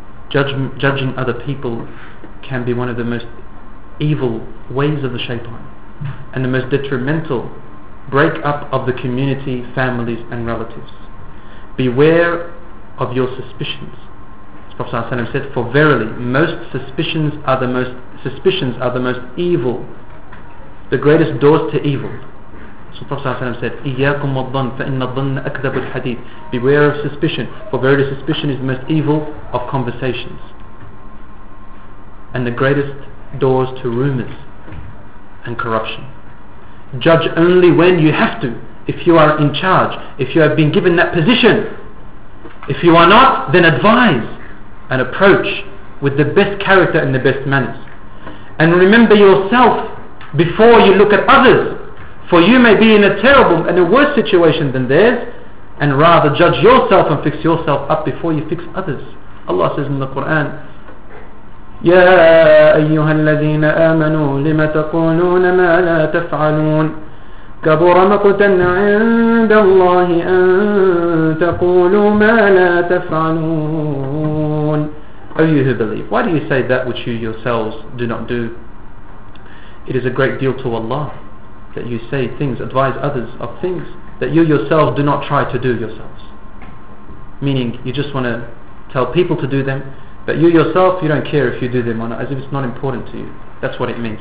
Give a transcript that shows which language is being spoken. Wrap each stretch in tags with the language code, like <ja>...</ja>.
<en>Judging other people can be one of the most evil ways of the shaitan, and the most detrimental break up of the community, families and relatives. Beware of your suspicions. Prophet ﷺ said, for verily most suspicions are the most evil, the greatest doors to evil. So Prophet ﷺ said,</en> <ar>إِيَّاكُمْ وَالظَّنْ فَإِنَّ الظَّنَّ أَكْذَبُ الْحَدِيثِ.</ar> <en>Beware of suspicion, for verily suspicion is the most evil of conversations, and the greatest doors to rumors and corruption. Judge only when you have to, if you are in charge, if you have been given that position. If you are not, then advise and approach with the best character and the best manners. And remember yourself before you look at others, for you may be in a terrible and a worse situation than theirs, and rather judge yourself and fix yourself up before you fix others. Allah says in the Quran,</en> <ar>يا أيها الذين آمنوا لما تقولون ما لا تفعلون كبر مقتا عند الله أن تقولوا ما لا تفعلون.</ar> <en>O you who believe, why do you say that which you yourselves do not do? It is a great deal to Allah that you say things, advise others of things that you yourselves do not try to do yourselves. Meaning you just want to tell people to do them, but you yourself, you don't care if you do them or not, as if it's not important to you. That's what it means.</en>